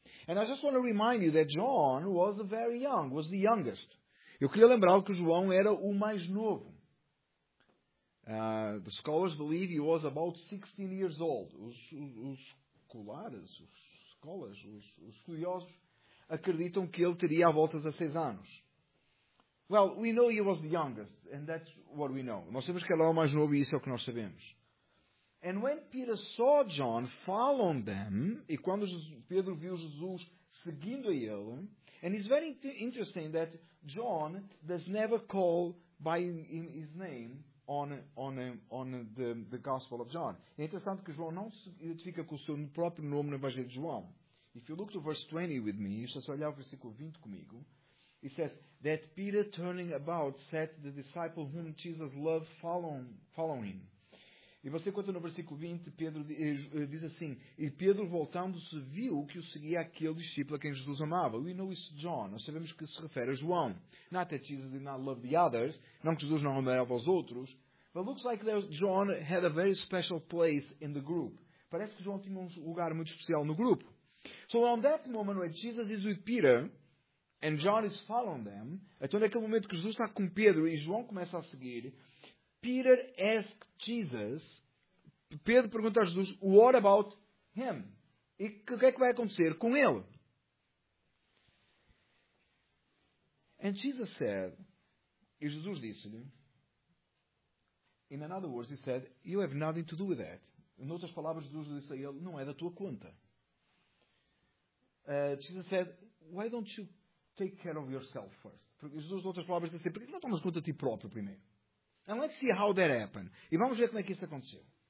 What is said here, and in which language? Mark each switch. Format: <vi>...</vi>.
<en>And I just want to remind you that John was very young, was the youngest.</en> <pt>Eu queria lembrar que João era o mais novo.</pt> <en>The scholars believe he was about 16 years old.</en> <pt>Os estudiosos acreditam que ele teria à volta de 16 anos.</pt> <en>Well, we know he was the youngest, and that's what we know.</en> <pt>Nós sabemos que ele era o mais novo e isso é o que nós sabemos.</pt> <en>And when Peter saw John following them,</en> <pt>e quando Pedro viu Jesus seguindo a ele,</pt> <en>and it's very interesting that John does never call by his name on the Gospel of John.</en> <pt>É interessante que João não se identifica com o seu próprio nome no Evangelho de João.</pt> <en>If you look to verse 20 with me,</en> <pt>se você olhar o versículo 20 comigo,</pt> <en>it says that Peter turning about said the disciple whom Jesus loved following.</en> <pt>E você conta no versículo 20, Pedro diz assim, e Pedro voltando-se viu que o seguia aquele discípulo a quem Jesus amava.</pt> <en>We know it's John.</en> <pt>Nós sabemos que se refere a João. Not that Jesus did not love the others. Não que Jesus não amava os outros.</pt> <en>But looks like that John had a very special place in the group.</en> <pt>Parece que João tinha um lugar muito especial no grupo.</pt> <en>So on that moment when Jesus is with Peter and John is following them,</en> <pt>então naquele momento que Jesus está com Pedro e João começa a seguir,</pt> <en>Peter asked Jesus,</en> <pt>Pedro pergunta a Jesus,</pt> <en>what about him?</en> <pt>E o que é que vai acontecer com ele?</pt> <en>And Jesus said,</en> <pt>e Jesus disse-lhe,</pt> <en>in another words, he said, you have nothing to do with that.</en> <pt>Em outras palavras, Jesus disse a ele, não é da tua conta.</pt> <en>Jesus said, why don't you take care of yourself first?</en> <pt>Porque Jesus, em outras palavras, disse, por que não tomas conta de ti próprio primeiro?</pt> <en>And let's see how that happened.</en> <pt>E vamos ver como é que isso aconteceu.</pt>